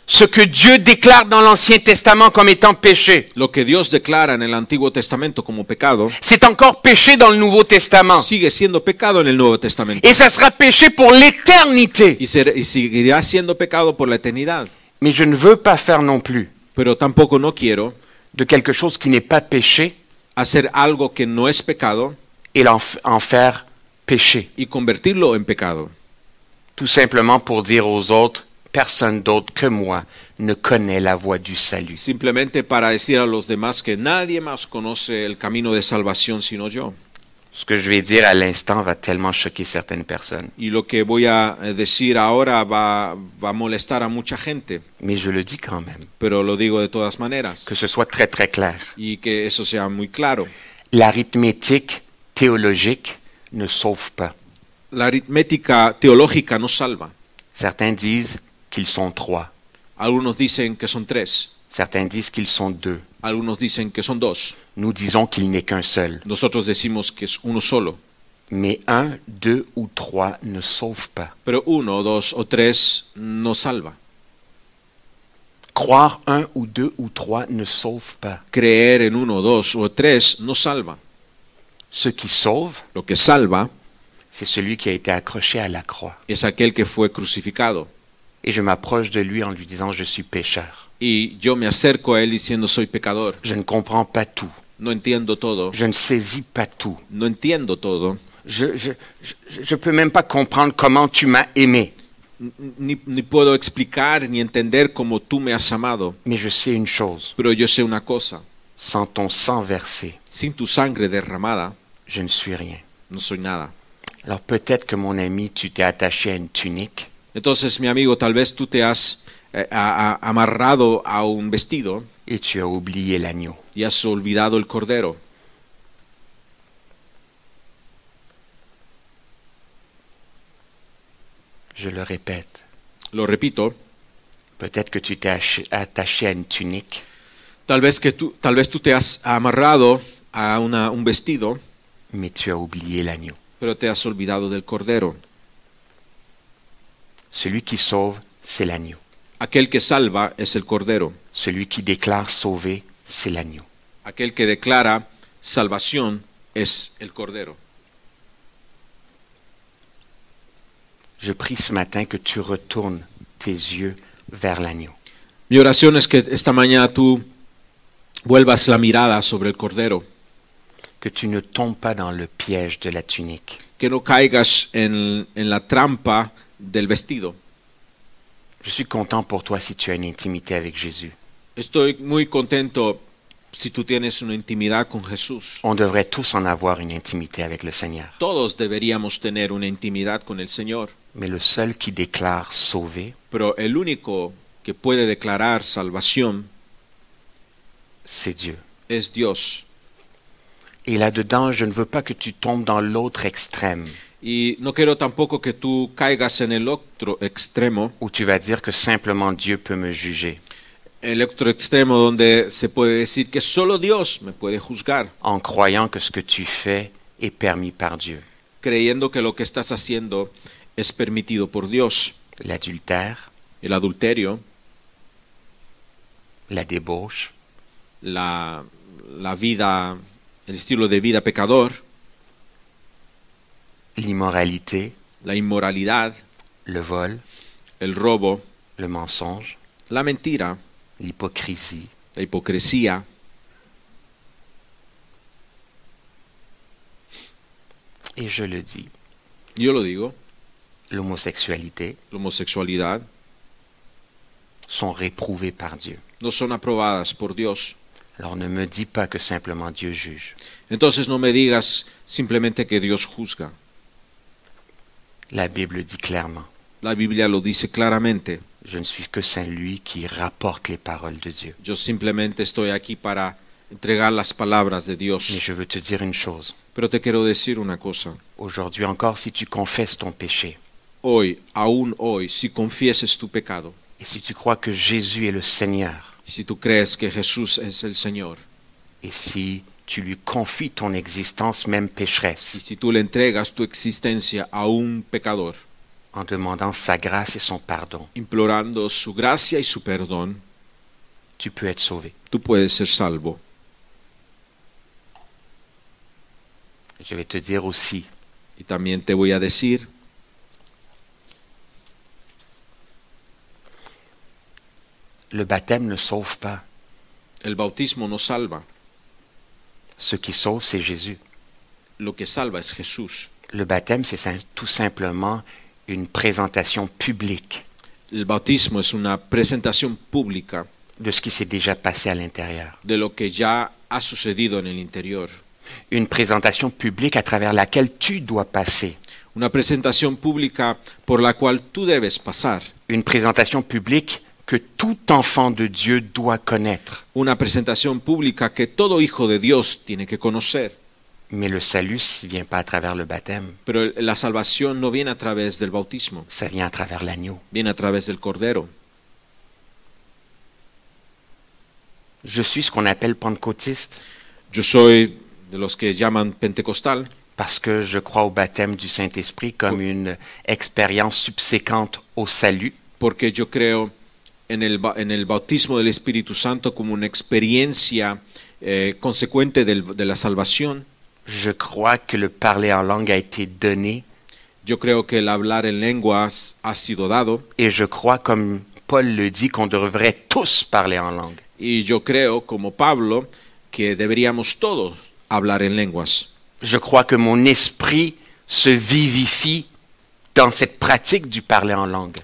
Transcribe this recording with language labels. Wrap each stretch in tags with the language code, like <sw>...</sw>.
<fr>Ce que Dieu déclare dans l'Ancien Testament comme étant péché.</fr> <es>Lo que Dios declara en el Antiguo Testamento como pecado.</es> <fr>C'est encore péché dans le Nouveau Testament.</fr> <es>Sigue siendo pecado en el Nuevo Testamento.</es> <fr>Et ça sera péché pour l'éternité.</fr> <es>Y seguirá siendo pecado por la eternidad.</es> <fr>Mais je ne veux pas faire non plus.</fr> <es>Pero tampoco no quiero</es> <fr>de quelque chose qui n'est pas péché</fr> <es>hacer algo que no es pecado</es> <fr>et en faire péché</fr> <es>y convertirlo en pecado.</es> <fr>Tout simplement pour dire aux autres personne d'autre que moi ne connaît la voie du salut.</fr> <es>Simplemente para decir a los demás que nadie más conoce el camino de salvación sino yo.</es> <fr>Ce que je vais dire à l'instant va tellement choquer certaines personnes.</fr> <es>Y lo que voy a decir ahora va molestar a mucha gente.</es> <fr>Mais je le dis quand même.</fr> <es>Pero lo digo de todas maneras.</es> <fr>Que ce soit très très clair.</fr> <es>Y que eso sea muy claro.</es> <fr>L'arithmétique théologique ne sauve pas.</fr> <es>L'aritmética teológica no salva.</es> <fr>Certains disent qu'ils sont trois.</fr> <es>Algunos dicen que son tres.</es> <fr>Certains disent qu'ils sont deux.</fr> <es>Algunos dicen que son dos.</es> <fr>Nous disons qu'il n'est qu'un seul.</fr> <es>Nosotros decimos que es uno solo.</es> <fr>Mais un, deux ou trois ne sauvent pas.</fr> <es>Pero uno, dos o tres no salva.</es> <fr>Croire un ou deux ou trois ne sauve pas.</fr> <es>Creer en uno, dos o tres no salva.</es> <fr>Ce qui sauve,</fr> <es>lo que salva,</es> <fr>c'est celui qui a été accroché à la croix.</fr> <es>Es aquel que fue crucificado.</es> <fr>Et je m'approche de lui en lui disant je suis pécheur.</fr> <es>Y yo me acerco a él diciendo soy pecador.</es> <fr>Je ne comprends pas tout.</fr> <es>No entiendo todo.</es> <fr>Je ne saisis pas tout.</fr> <es>No entiendo todo.</es> <fr>Je peux même pas comprendre comment tu m'as aimé.</fr> <es>Ni puedo explicar ni entender cómo tú me has amado.</es> <fr>Mais je sais une chose.</fr> <es>Pero yo sé una cosa.</es> <fr>Sans ton sang versé.</fr> <es>Sin tu sangre derramada.</es> <fr>Je ne suis rien.</fr> <es>No soy nada.</es> <fr>Alors peut-être que mon ami, tu t'es attaché à une tunique.</fr> <es>Entonces mi amigo, tal vez tú te has amarrado a un vestido</es> <fr>y tu as oublié l'agneau.</fr> <es>Y has olvidado el cordero.</es> <fr>Je le répète.</fr> <es>Lo repito.</es> <fr>Peut-être que tu t'es attaché à une tunique.</fr> <es>Tal vez tú te has amarrado a un vestido.</es> <fr>Mais tu as oublié l'agneau.</fr> <es>Pero te has olvidado del cordero.</es> <fr>Celui qui sauve, c'est l'agneau.</fr> <es>Aquel que salva es el cordero.</es> <fr>Celui qui déclare sauvé, c'est l'agneau.</fr> <es>Aquel que declara salvación es el cordero.</es> <fr>Je prie ce matin que tu retournes tes yeux vers l'agneau.</fr> <es>Mi oración es que esta mañana tú vuelvas la mirada sobre el cordero.</es> <fr>Que tu ne tombes pas dans le piège de la tunique.</fr> <es>Que no caigas en la trampa del vestido.</es> <fr>Je suis content pour toi si tu as une intimité avec Jésus.</fr> <es>Estoy muy contento si tú tienes una intimidad con Jesús.</es> <fr>On devrait tous en avoir une intimité avec le Seigneur.</fr> <es>Todos deberíamos tener una intimidad con el Señor.</es> <fr>Mais le seul qui déclare sauvé.</fr> <es>Pero el único que puede declarar salvación.</es> <fr>C'est Dieu.</fr> <es>Es Dios.</es> <fr>Et là-dedans, je ne veux pas que tu tombes dans l'autre extrême.</fr> <es>Y no quiero tampoco que tú caigas en el otro extremo.</es> <fr>Où tu vas dire que simplement Dieu peut me juger.</fr> <es>El otro extremo donde se puede decir que solo Dios me puede juzgar.</es> <fr>En croyant que ce que tu fais est permis par Dieu.</fr> <es>Creyendo que lo que estás haciendo es permitido por Dios.</es> <fr>L'adultère.</fr> <es>El adulterio.</es> <fr>La débauche.</fr> <es>La vida, el estilo de vida pecador.</es> <fr>L'immoralité.</fr> <es>La inmoralidad.</es> <fr>Le vol.</fr> <es>El robo.</es> <fr>Le mensonge.</fr> <es>La mentira.</es> <fr>L'hypocrisie.</fr> <es>La hipocresía.</es> <fr>Et je le dis.</fr> <es>Yo lo digo.</es> <fr>L'homosexualité.</fr> <es>L'homosexualidad.</es> <fr>Sont réprouvés par Dieu.</fr> <es>No son aprobadas por Dios.</es> <fr>Alors ne me dis pas que simplement Dieu juge.</fr> <es>Entonces no me digas simplemente que Dios juzga.</es> <fr>La Bible dit clairement.</fr> <es>La Biblia lo dice claramente.</es> <fr>Je ne suis que celui qui rapporte les paroles de Dieu.</fr> <es>Yo simplemente estoy aquí para entregar las palabras de Dios.</es> <fr>Mais je veux te dire une chose.</fr> <es>Pero te quiero decir una cosa.</es> <fr>Aujourd'hui encore, si tu confesses ton péché.</fr> <es>Hoy, aún hoy, si confieses tu pecado.</es> <fr>Et si tu crois que Jésus est le Seigneur.</fr> <es>Si tú crees que Jesús es el Señor.</es> <fr>Et si tu lui confies ton existence, même pécheresse.</fr> <es>Y si tú le entregas tu existencia a un pecador.</es> <fr>En demandant sa grâce et son pardon.</fr> <es>Implorando su gracia y su perdón.</es> <fr>Tu peux être sauvé.</fr> <es>Tú puedes ser salvo.</es> <fr>Je vais te dire aussi.</fr> <es>Y también te voy a decir.</es> <fr>Le baptême ne sauve pas.</fr> <es>El bautismo no salva.</es> <fr>Ce qui sauve, c'est Jésus.</fr> <es>Lo que salva es Jesús.</es> <fr>Le baptême, c'est tout simplement une présentation publique.</fr> <es>El bautismo es una presentación pública.</es> <fr>De ce qui s'est déjà passé à l'intérieur.</fr> <es>De lo que ya ha sucedido en el interior.</es> <fr>Une présentation publique à travers laquelle tu dois passer.</fr> <es>Una presentación pública por la cual tú debes pasar.</es> <fr>Une présentation publique que tout enfant de Dieu doit connaître.</fr> <es>Una presentación pública que todo hijo de Dios tiene que conocer.</es> <fr>Mais le salut ne vient pas à travers le baptême.</fr> <es>Pero la salvación no viene a través del bautismo.</es> <fr>Ça vient à travers l'agneau.</fr> <es>Viene a través del cordero.</es> <fr>Je suis ce qu'on appelle pentecôtiste.</fr> <es>Yo soy de los que llaman pentecostal.</es> <fr>Parce que je crois au baptême du Saint-Esprit comme une expérience subséquente au salut.</fr> <es>Porque yo creo en el bautismo del Espíritu Santo como una experiencia consecuente de la salvación.</es> <fr>Je crois que le parler en langue a été donné.</fr> <es>Yo creo que el hablar en lenguas ha sido dado.</es> <fr>Et je crois, comme Paul le dit, qu'on devrait tous parler en langue.</fr> <es>Y yo creo, como Pablo, que deberíamos todos hablar en lenguas.</es> <fr>Je crois que mon esprit se vivifie dans cette pratique du parler en langue.</fr>